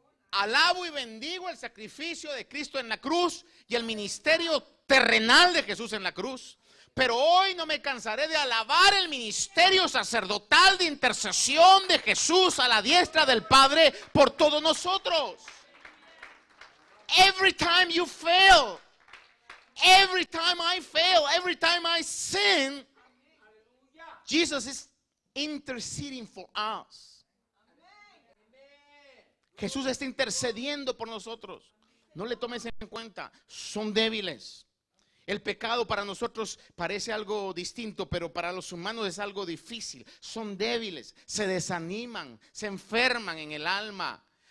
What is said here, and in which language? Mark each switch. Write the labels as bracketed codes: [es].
[es] Alabo y bendigo el sacrificio de Cristo en la cruz y el ministerio terrenal de Jesús en la cruz. Pero hoy no me cansaré de alabar el ministerio sacerdotal de intercesión de Jesús a la diestra del Padre por todos nosotros. [en] Every time you fail, every time I fail, every time I sin, Jesus is interceding for us. [es] Jesús está intercediendo por nosotros. No le tomes en cuenta, son débiles. El pecado para nosotros parece algo distinto, pero para los humanos es algo difícil. Son débiles, se desaniman, se enferman en el alma.